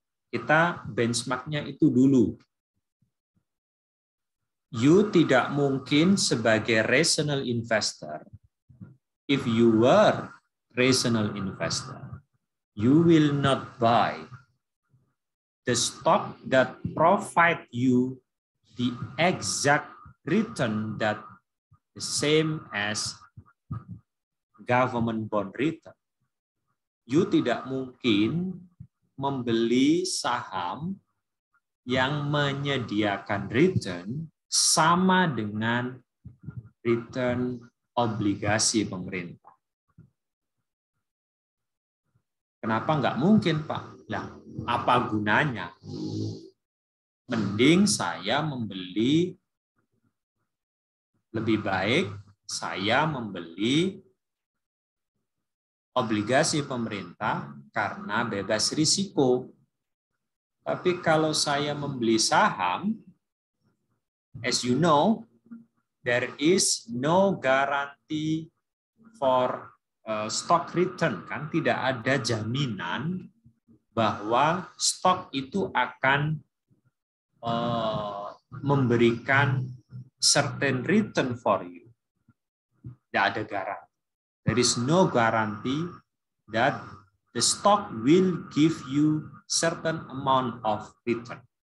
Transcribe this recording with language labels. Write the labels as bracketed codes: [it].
[id] Kita benchmarknya itu dulu. You tidak mungkin sebagai rational investor. [en] If you were rational investor, you will not buy the stock that provide you the exact return that the same as government bond return. [id] You tidak mungkin membeli saham yang menyediakan return sama dengan return obligasi pemerintah. Kenapa enggak mungkin, Pak? Lah, apa gunanya? Mending saya membeli, lebih baik saya membeli obligasi pemerintah karena bebas risiko. Tapi kalau saya membeli saham, [en] as you know, there is no guarantee for stock return, kan? [id] Tidak ada jaminan bahwa stok itu akan memberikan [en] certain return for you. [id] Tidak ada garansi. [en] There is no guarantee that the stock will give you certain amount of return.